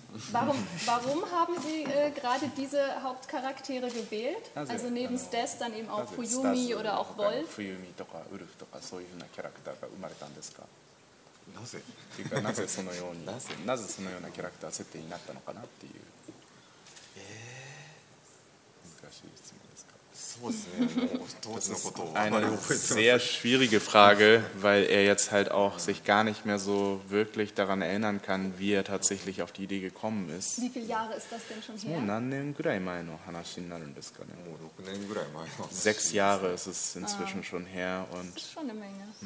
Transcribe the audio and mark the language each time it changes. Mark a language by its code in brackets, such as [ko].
[de] Warum haben Sie gerade diese Hauptcharaktere gewählt? Also neben Stas dann eben auch Fuyumi oder auch Wolf? Fuyumi oder Ulf oder so ein Charakter [ja] が生まれたんですか? なぜそのようなキャラクター設定になったのかなっていう。難しい質問ですか? そうですね。当時のことをあまり覚えてません。 [de] Eine sehr schwierige Frage, weil er jetzt halt auch sich gar nicht mehr so wirklich daran erinnern kann, wie er tatsächlich auf die Idee gekommen ist. Wie viele Jahre ist das denn schon her? [ja] もう何年ぐらい前の話になるんですかね? もう6年ぐらい前の話。 [de] 6 Jahre ist es inzwischen schon her. Und das ist schon eine Menge.